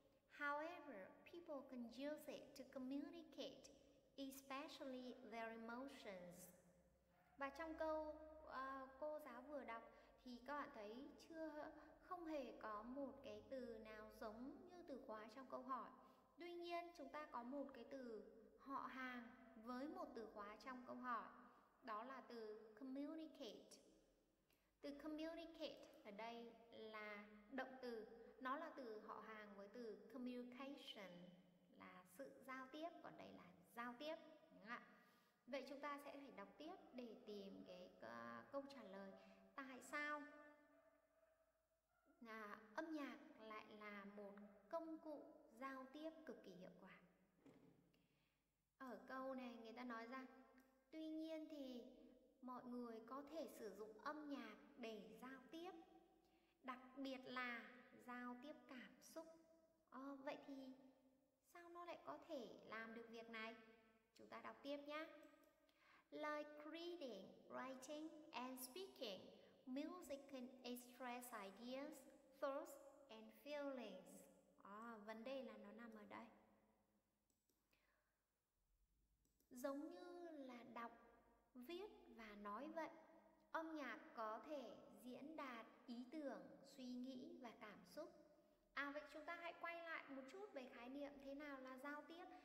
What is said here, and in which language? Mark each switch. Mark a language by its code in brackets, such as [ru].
[en] However, people can use it to communicate, especially their emotions. [vi] Và trong câu cô giáo vừa đọc thì các bạn thấy không hề có một cái từ nào giống như từ khóa trong câu hỏi. Tuy nhiên, chúng ta có một cái từ họ hàng với một từ khóa trong câu hỏi, đó là từ communicate. Từ communicate ở đây là động từ, nó là từ họ hàng với từ communication, là sự giao tiếp, còn đây là giao tiếp. Vậy chúng ta sẽ phải đọc tiếp để tìm cái câu trả lời tại sao âm nhạc lại là một công cụ giao tiếp cực kỳ hiệu quả. Ở câu này người ta nói rằng, tuy nhiên thì mọi người có thể sử dụng âm nhạc để giao tiếp, đặc biệt là giao tiếp cảm xúc. Vậy thì sao nó lại có thể làm được việc này? Chúng ta đọc tiếp nhé. [en] Like reading, writing and speaking, music can express ideas, thoughts and feelings. [vi] Vấn đề là nó nằm ở đây. Giống như là đọc, viết và nói vậy, âm nhạc có thể diễn đạt ý tưởng, suy nghĩ và cảm xúc. Vậy chúng ta hãy quay lại một chút về khái niệm thế nào là giao tiếp.